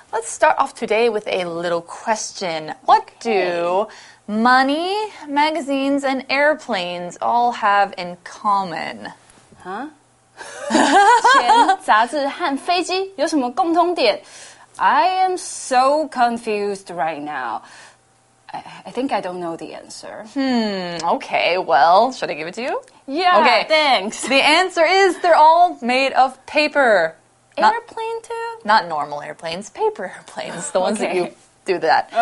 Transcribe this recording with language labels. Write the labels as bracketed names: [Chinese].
[English] Let's start off today with a little question. What do money, magazines, and airplanes all have in common? Huh? [Chinese] 钱、杂志和飞机有什么共通点? [English] I am so confused right now. I think I don't know the answer. Okay, well, should I give it to you? Yeah, okay. Thanks. The answer is they're all made of paper. Airplane too? Not normal airplanes, paper airplanes, the ones、okay. that you do that.